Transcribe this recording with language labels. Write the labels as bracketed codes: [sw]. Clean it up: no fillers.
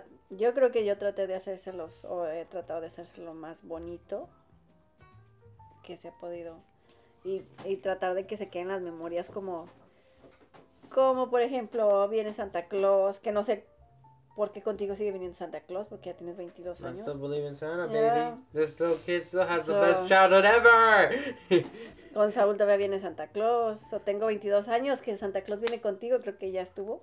[es] Yo creo que yo traté de hacérselos, o he tratado de hacérselo más bonito que se ha podido. Y tratar de que se queden las memorias como por ejemplo, viene Santa Claus, que no sé por qué contigo sigue viniendo Santa Claus, porque ya tienes 22 años. [en] I still believe in Santa, baby. Yeah. This little kid still has the best childhood ever. [es] Con Saúl todavía viene Santa Claus. So, tengo 22 años, que Santa Claus viene contigo, creo que ya estuvo.